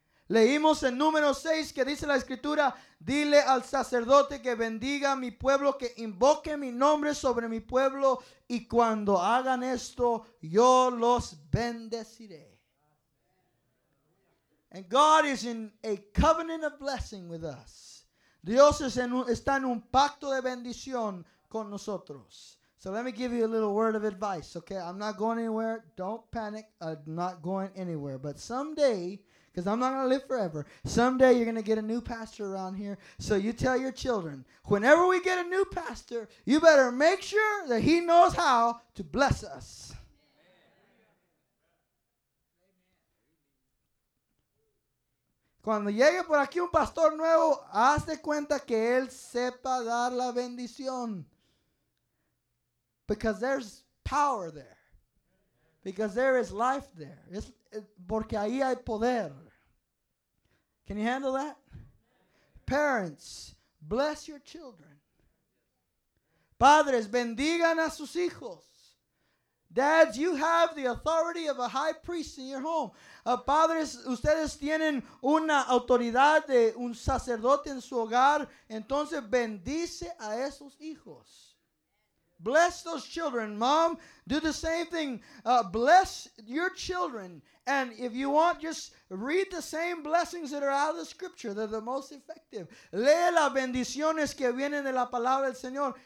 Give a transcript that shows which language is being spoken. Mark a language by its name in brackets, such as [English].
[Spanish] Leímos en número 6 que dice la escritura, dile al sacerdote que bendiga mi pueblo, que invoque mi nombre sobre mi pueblo, y cuando hagan esto, yo los bendeciré. [English] And God is in a covenant of blessing with us. [Spanish] Dios está en un pacto de bendición con nosotros. [English] So let me give you a little word of advice, okay? I'm not going anywhere. Don't panic. I'm not going anywhere. But someday, because I'm not going to live forever, someday you're going to get a new pastor around here. So you tell your children, whenever we get a new pastor, you better make sure that he knows how to bless us. [Spanish] Cuando llegue por aquí un pastor nuevo, haz de cuenta que él sepa dar la bendición. [English] Because there's power there. Because there is life there. [Spanish] Porque ahí hay poder. [English] Can you handle that? Parents, bless your children. [Spanish] Padres, bendigan a sus hijos. [English] Dads, you have the authority of a high priest in your home. [Spanish] Padres, ustedes tienen una autoridad de un sacerdote en su hogar. Entonces, bendice a esos hijos. [English] Bless those children. Mom, do the same thing. Bless your children. And if you want, just read the same blessings that are out of the scripture. They're the most effective. [Spanish] Lee las bendiciones que vienen de la palabra del Señor.